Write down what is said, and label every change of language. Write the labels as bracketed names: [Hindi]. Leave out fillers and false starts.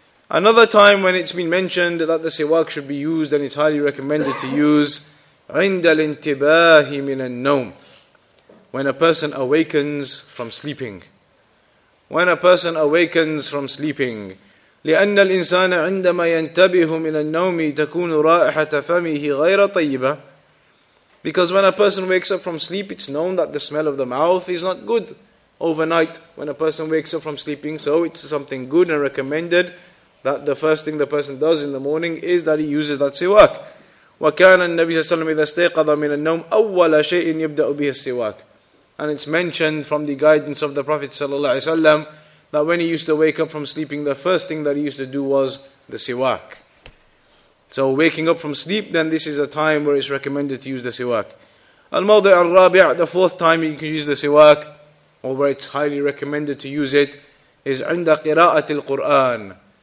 [English] Another time when it's been mentioned that the siwak should be used and it's highly recommended to use, [Arabic] عند الانتباه من النوم, [English] when a person awakens from sleeping. When a person awakens from sleeping. [Arabic] لأن الإنسان عندما ينتبه من النوم تكون رائحة فمه غير طيبة. [English] Because when a person wakes up from sleep, it's known that the smell of the mouth is not good overnight. When a person wakes up from sleeping, so it's something good and recommended that the first thing the person does in the morning is that he uses that siwak. [Arabic] وكان النبي صلى الله عليه وسلم إذا استيقظ من النوم أول شيء يبدأ به السواك. [English] And it's mentioned from the guidance of the Prophet صلى الله عليه وسلم that when he used to wake up from sleeping, the first thing that he used to do was the siwak. So waking up from sleep, then this is a time where it's recommended to use the siwak. Al-mawdi' al-rabi', the fourth time you can use the siwak, or where it's highly recommended to use it, is [Arabic] عِنْدَ قِرَاءَةِ الْقُرْآنِ.